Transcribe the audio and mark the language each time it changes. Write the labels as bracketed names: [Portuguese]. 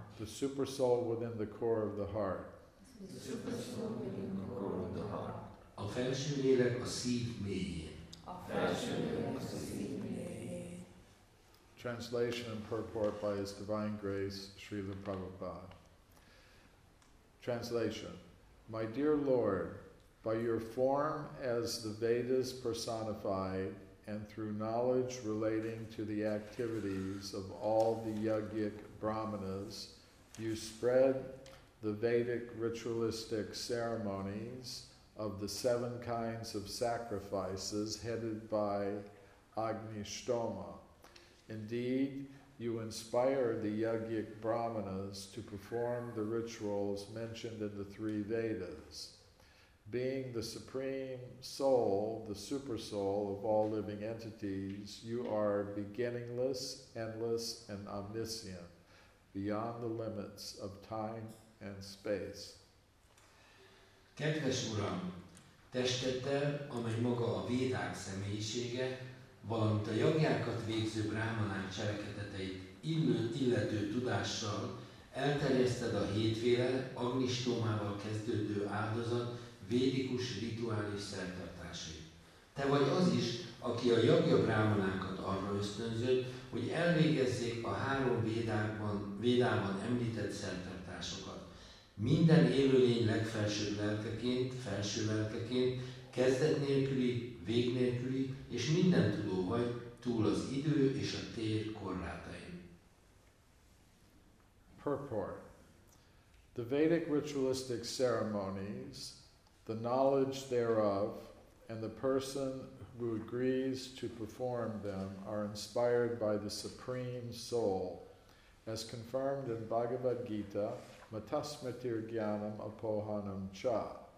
[English] The Super Soul within the core of the heart. The Super Soul within the core of the heart. [Hungarian] A felső lélek a szív mélyén. [English] Translation and purport by His Divine Grace, Srila Prabhupada. Translation. My dear Lord, by your form as the Vedas personified and through knowledge relating to the activities of all the yogic brahmanas, you spread the Vedic ritualistic ceremonies of the seven kinds of sacrifices headed by Agni Stoma. Indeed, you inspire the yogic brahmanas to perform the rituals mentioned in the three Vedas. Being the supreme soul, the super soul of all living entities, you are beginningless, endless, and omniscient, beyond the limits of time and space. [Hungarian] Kedves Uram, testeddel, amely maga a védák személyisége, valamint a jagjákat végző brámanák cselekedeteit illető tudással elterjeszted a hétféle agnistómával kezdődő áldozat védikus rituális szertartásai. Te vagy az is, aki a jagja brámanákat arra ösztönzött, hogy elvégezzék a három védában említett szertartásokat. Minden élőlény legfelsőbb lelkeként, felső lelkeként, kezdet nélküli, vég nélküli, és minden tudó vagy túl az idő és a tér korlátain. [English] Purport. The Vedic ritualistic ceremonies, the knowledge thereof, and the person who agrees to perform them are inspired by the Supreme Soul, as confirmed in Bhagavad Gita, [Sanskrit] Matasmatir Gyanam Apohanam Cha.